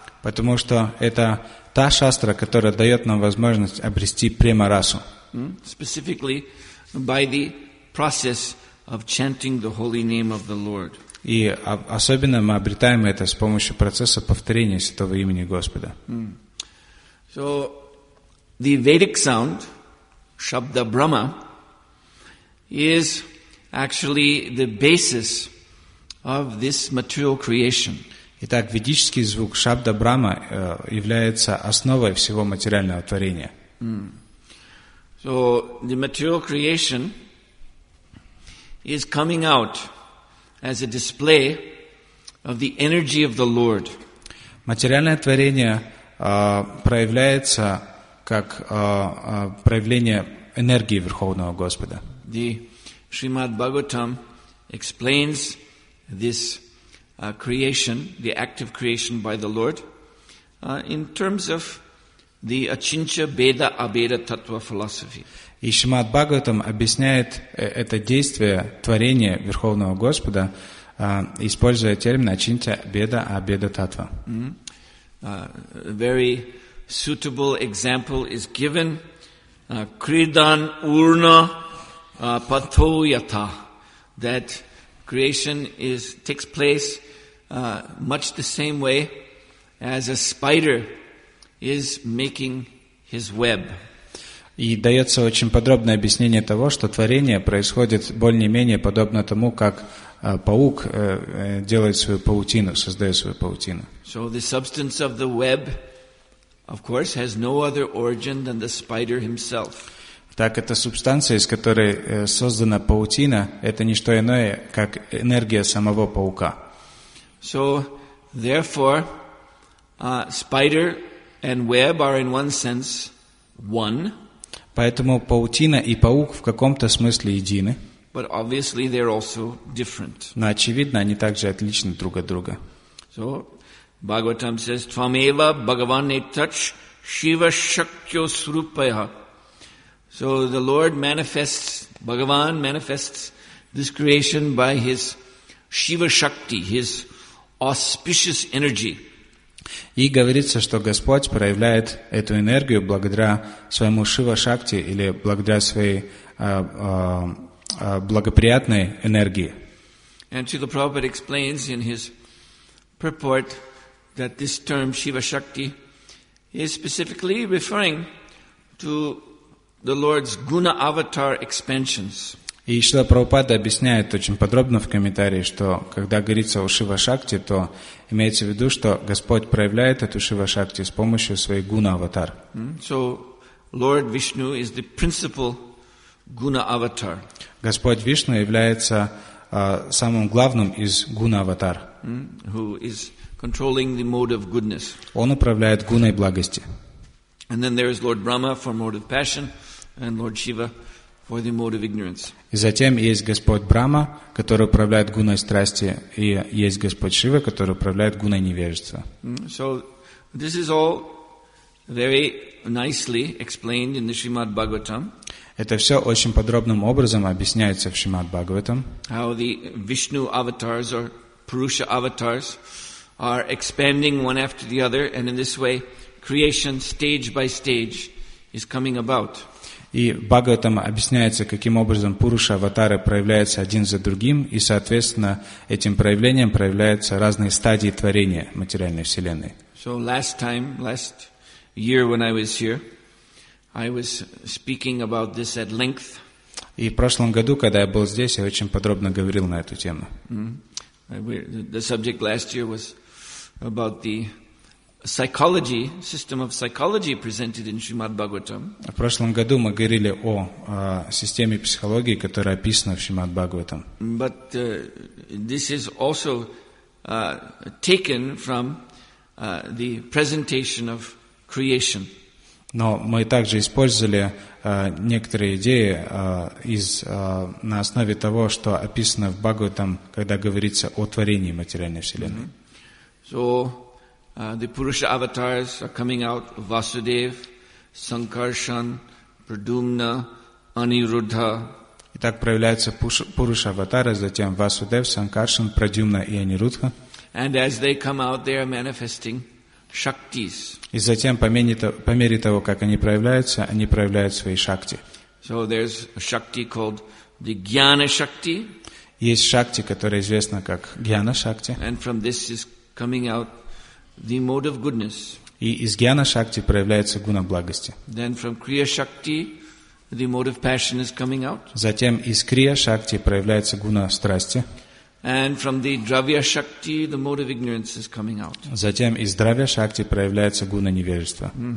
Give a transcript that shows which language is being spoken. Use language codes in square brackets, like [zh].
[ru] Потому что это та шастра, которая дает нам возможность обрести према расу. [en] Specifically, by the process of chanting the holy name of the Lord. [ru] И особенно мы обретаем это с помощью процесса повторения святого имени Господа. [en] So, the Vedic sound, Shabda Brahma, is actually the basis of this material creation. [ru] Итак, ведический звук, Шабда Брахма, является основой всего материального творения. [en] So, the material creation is coming out as a display of the energy of the Lord. [ru] Материальное творение проявляется как проявление энергии Верховного Господа. [en] The Srimad Bhagavatam explains this creation, the act of creation by the Lord, in terms of the Achincha Beda Abheda Tattva philosophy. [ru] И Шримад Бхагаватам объясняет это действие творения Верховного Господа, используя термин Ачинча Беда Абеда Татва. [en] A very suitable example is given. [sa] Kridan Urna Patoyata, [en] that creation is takes place much the same way as a spider is making his web. [ru] И дается очень подробное объяснение того, что творение происходит более-менее подобно тому, как паук делает свою паутину, создает свою паутину. [en] So the substance of the web, of course, has no other origin than the spider himself. [ru] Так эта субстанция, из которой создана паутина, это не что иное, как энергия самого паука. [en] So, therefore, spider and web are in one sense one. [ru] Поэтому паутина и паук в каком-то смысле едины. [en] But obviously they're also different. [ru] Но очевидно, они также отличны друг от друга. [en] So, Bhagavatam says, [sa] Tvameva Bhagavane Tach Shiva Shakyo Srupaya. [en] So the Lord manifests, Bhagavan manifests this creation by his Shiva Shakti, his auspicious energy. [ru] И говорится, что Господь проявляет эту энергию благодаря своему Шива Шакти или благодаря своей благоприятной энергии. [en] And Srila Prabhupada explains in his purport that this term Shiva Shakti is specifically referring to the Lord's Guna Avatar expansions. [ru] И Шрила Прабхупада объясняет очень подробно в комментарии, что когда говорится о Шива-шакти, то имеется в виду, что Господь проявляет эту Шива-шакти с помощью своей гуна-аватар. [en] So, Lord Vishnu is the principal guna-avatar. [ru] Господь Вишну является самым главным из гуна-аватар. [en] Who is controlling the mode of goodness. [ru] Он управляет гуной благости. [en] And then there is Lord Brahma for mode of passion, and Lord Shiva for the mode of ignorance. [ru] И затем есть Господь Брама, который управляет гуной страсти, и есть Господь Шива, который управляет гуной невежества. [en] So this is all very nicely explained in the Shrimad Bhagavatam. [ru] Это все очень подробным образом объясняется в Шримад Бхагаватам. [en] How the Vishnu avatars or Purusha avatars are expanding one after the other, and in this way creation stage by stage is coming about. [ru] И в Бхагаватам объясняется, каким образом Пуруша-аватары проявляются один за другим, и, соответственно, этим проявлением проявляются разные стадии творения материальной вселенной. [en] So last time, last year when I was speaking about this at length. [ru] И в прошлом году, когда я был здесь, я очень подробно говорил на эту тему. [en] The subject last year was about the psychology, system of psychology presented in Srimad Bhagavatam. [ru] В прошлом году мы говорили о системе психологии, которая описана в Шримад Бхагаватам. [en] But this is also taken from the presentation of creation. [ru] Но мы также использовали некоторые идеи на основе того, что описано в Бхагаватам, когда говорится о творении материальной вселенной. [en] So the Purusha avatars are coming out: Vasudev, Sankarshan, Pradumna, Aniruddha. [ru] Итак, проявляются Пуруша аватары, затем Васудев, Санкаршан, Прадюмна и Анирудха. [en] And as they come out, they are manifesting shaktis. [ru] И затем по мере того, как они проявляют свои шакти. [en] So there's a shakti called the Gyana shakti. [ru] Есть шакти, которая известна как Гьяна шакти. [en] And from this is coming out the mode of goodness. [ru] И из гьяна шакти проявляется гуна благости. [en] Then from крия шакти, the mode of passion is coming out. [ru] Затем из крия шакти проявляется гуна страсти. [en] And from the дравья шакти, the mode of ignorance is coming out. [ru] Затем из дравья шакти проявляется гуна невежества.